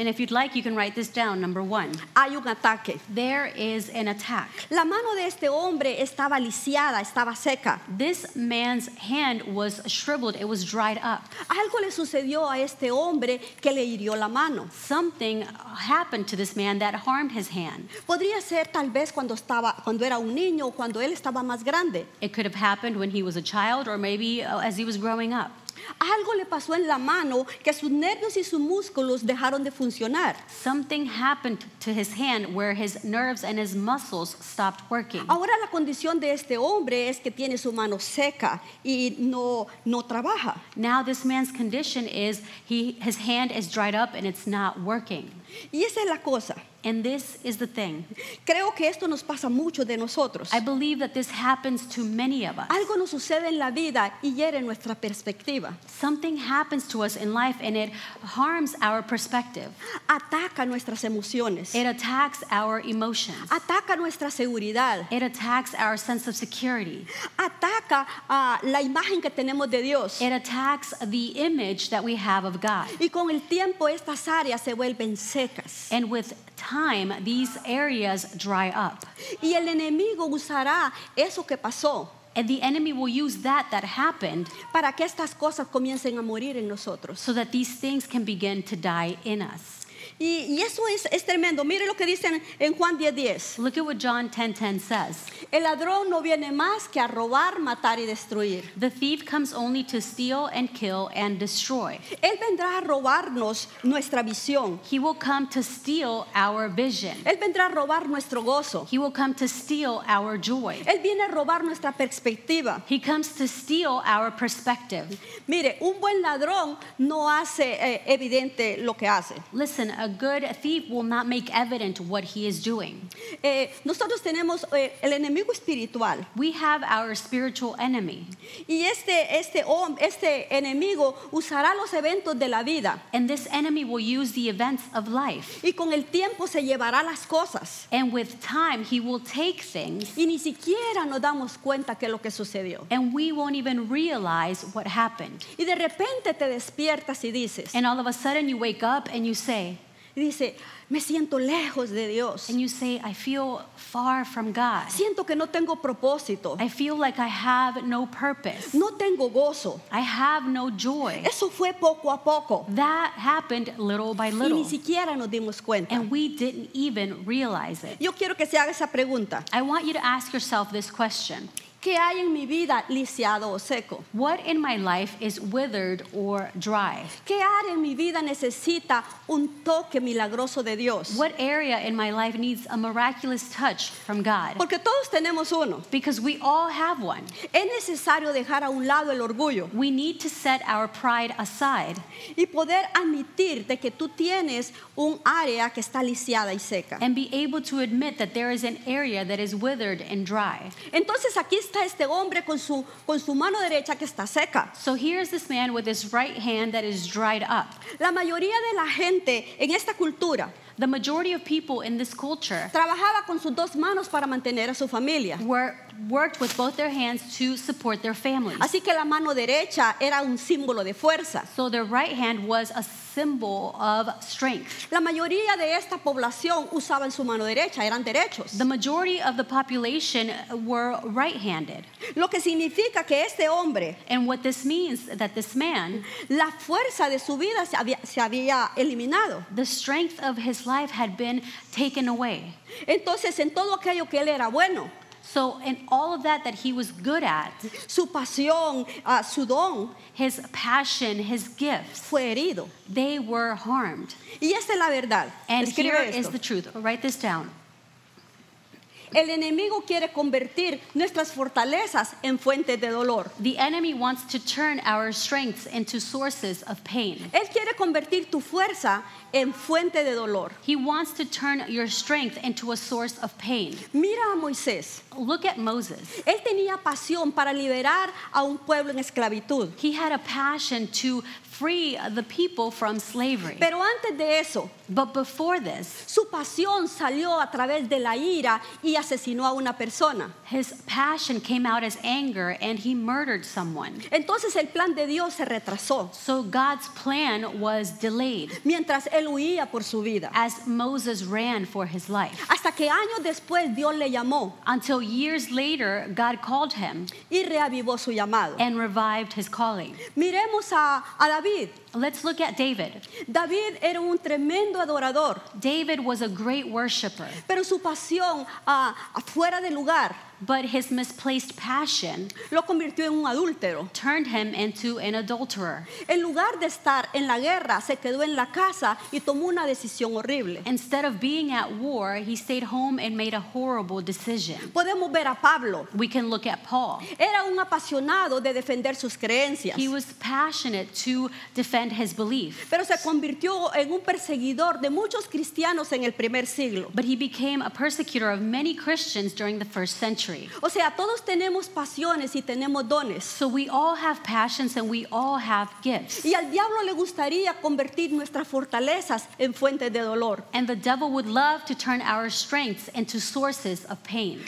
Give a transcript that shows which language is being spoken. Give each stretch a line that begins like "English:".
English: And if you'd like, you can write this down, number one.
Spanish: Hay un ataque.
English: There is an attack.
Spanish: La mano de este hombre estaba lisiada, estaba seca.
English: This man's hand was shriveled, it was dried up.
Spanish: Algo le sucedió a este hombre que le hirió la mano.
English: Something happened to this man that harmed his hand.
Spanish: Podría ser tal vez cuando era un niño o cuando él estaba más grande.
English: It could have happened when he was a child or maybe as he was growing up.
Spanish: Algo le pasó en la mano que sus nervios y sus músculos dejaron de funcionar.
English: Something happened to his hand where his nerves and his muscles stopped working.
Spanish: Ahora la condición de este hombre es que tiene su mano seca y no trabaja.
English: Now this man's condition is his hand is dried up and it's not working.
Spanish: Y esa es la cosa.
English: And this is the thing.
Spanish: Creo que esto nos pasa mucho de nosotros.
English: I believe that this happens to many of us.
Spanish: Algo nos sucede en la vida y hiere nuestra perspectiva.
English: Something happens to us in life and it harms our perspective.
Spanish: Ataca nuestras emociones.
English: It attacks our emotions.
Spanish: Ataca nuestra seguridad.
English: It attacks our sense of security.
Spanish: Ataca la imagen que tenemos de Dios.
English: It attacks the image that we have of God.
Spanish: Y con el tiempo estas áreas se vuelven secas.
English: And with time, these areas dry up.
Spanish: Y el enemigo usará eso que pasó.
English: And the enemy will use that happened
Spanish: para que estas cosas comiencen a morir en nosotros.
English: So that these things can begin to die in us.
Spanish: Y eso es tremendo. Mire lo que dicen en Juan 10:10.
English: Look at what John 10:10 says.
Spanish: El ladrón no viene más que a robar, matar y destruir.
English: The thief comes only to steal and kill and destroy.
Spanish: Él vendrá a robarnos nuestra visión.
English: He will come to steal our vision.
Spanish: Él vendrá a robar nuestro gozo.
English: He will come to steal our joy.
Spanish: Él viene a robar nuestra perspectiva.
English: He comes to steal our perspective.
Spanish: Mire, un buen ladrón no hace evidente lo que hace.
English: Listen, a good thief will not make evident what he is doing.
Spanish: Nosotros tenemos el enemigo espiritual.
English: We have our spiritual enemy.
Spanish: Y este enemigo usará los eventos de la vida.
English: And this enemy will use the events of life.
Spanish: Y con el tiempo se llevará las cosas.
English: And with time he will take things.
Spanish: Y ni siquiera nos damos cuenta que lo que sucedió.
English: And we won't even realize what happened.
Spanish: Y de repente te despiertas y dices.
English: And all of a sudden you wake up and you say.
Spanish: Y dice, me siento lejos de Dios.
English: And you say, I feel far from God.
Spanish: Siento que no tengo propósito.
English: I feel like I have no purpose.
Spanish: No tengo gozo.
English: I have no joy.
Spanish: Eso fue poco a poco.
English: That happened little by little.
Spanish: Y ni siquiera nos dimos cuenta.
English: And we didn't even realize it.
Spanish: Yo quiero que se haga esa pregunta.
English: I want you to ask yourself this question.
Spanish: ¿Qué hay en mi vida lisiado o seco?
English: What in my life is withered or dry?
Spanish: ¿Qué área en mi vida necesita un toque milagroso de Dios?
English: What area in my life needs a miraculous touch from God?
Spanish: Porque todos tenemos uno.
English: Because we all have one.
Spanish: Es necesario dejar a un lado el orgullo.
English: We need to set our pride aside.
Spanish: Y poder admitir de que tú tienes un área que está lisiada y seca.
English: And be able to admit that there is an area that is withered and dry.
Spanish: Entonces aquí está este hombre con su mano derecha que está seca.
English: So here is this man with his right hand that is dried up.
Spanish: La mayoría de la gente en esta cultura,
English: the majority of people in this culture,
Spanish: trabajaba con sus dos manos para mantener a su familia.
English: Worked with both their hands to support their families.
Spanish: Así que la mano derecha era un símbolo de fuerza.
English: So their right hand was a symbol of strength.
Spanish: La mayoría de esta población usaban su mano derecha, eran derechos.
English: The majority of the population were right-handed.
Spanish: Lo que significa que este hombre,
English: and what this means that this man,
Spanish: la fuerza de su vida se había eliminado.
English: The strength of his life had been taken away.
Spanish: Entonces, en todo aquello que él era bueno,
English: so in all of that he was good at,
Spanish: su pasión, su don,
English: his passion, his gifts,
Spanish: fue herido.
English: They were harmed.
Spanish: Y esta es la verdad.
English: And
Spanish: escribe
English: here
Spanish: esto.
English: Is the truth. I'll write this down.
Spanish: El enemigo quiere convertir nuestras fortalezas en fuentes de dolor.
English: The enemy wants to turn our strengths into sources of pain.
Spanish: Él quiere convertir tu fuerza en fuente de dolor.
English: He wants to turn your strength into a source of pain.
Spanish: Mira a Moisés.
English: Look at Moses.
Spanish: Él tenía pasión para liberar a un pueblo en esclavitud.
English: He had a passion to free the people from slavery.
Spanish: Pero antes de eso,
English: but before this,
Spanish: su pasión salió a través de la ira y asesinó a una persona.
English: His passion came out as anger and he murdered someone.
Spanish: Entonces el plan de Dios se retrasó.
English: So God's plan was delayed.
Spanish: Mientras él huía por su vida.
English: As Moses ran for his life.
Spanish: Hasta que años después Dios le llamó.
English: Until years later God called him.
Spanish: Y reavivó su llamado.
English: And revived his calling.
Spanish: Miremos a David.
English: Let's look at David.
Spanish: David era un tremendo adorador.
English: David was a great worshiper.
Spanish: Pero su pasión fuera de lugar.
English: But his misplaced passion
Spanish: lo convirtió en un adúltero.
English: Turned him into an adulterer.
Spanish: En lugar de estar en la guerra, se quedó en la casa y tomó una decisión horrible.
English: Instead of being at war, he stayed home and made a horrible decision.
Spanish: Podemos ver a Pablo.
English: We can look at Paul.
Spanish: Era un apasionado de defender sus creencias.
English: He was passionate to defend his belief.
Spanish: Pero se convirtió en un perseguidor de muchos cristianos en el primer siglo.
English: But he became a persecutor of many Christians during the first century.
Spanish: O sea, todos tenemos pasiones y tenemos dones.
English: So we all have passions and we all have gifts.
Spanish: Y al diablo le gustaría convertir nuestras fortalezas en fuentes de dolor.
English: And the devil would love to turn our strengths into sources of pain.